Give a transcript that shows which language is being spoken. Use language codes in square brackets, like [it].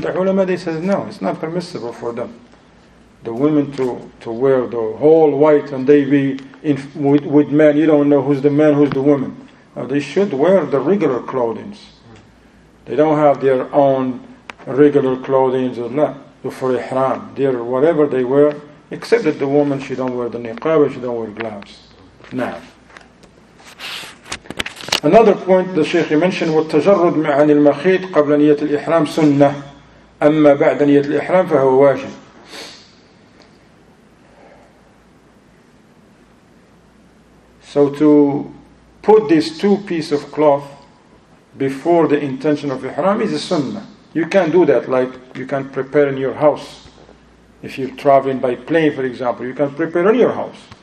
[en] The ulama, they says no, it's not permissible for them. The women to wear the whole white and they be with men. You don't know who's the man, who's the woman. They should wear the regular clothing. They don't have their own regular clothing or not for ihram. They're whatever they wear, except that the woman, she don't wear the niqab, she don't wear gloves. Now, another point the Shaykh mentioned, [ar] وَالتَّجَرُّدْ مِعَنِ الْمَخِيطِ قَبْلَ نِيَةِ الْإِحْرَامِ سُنَّةِ أَمَّا بَعْدَ نِيَةِ الْإِحْرَامِ فَهُوَ وَاجِبٌ. [en] So to put these two pieces of cloth before the intention of ihram is a sunnah. You can do that, like you can prepare in your house. If you're traveling by plane, for example, you can prepare in your house.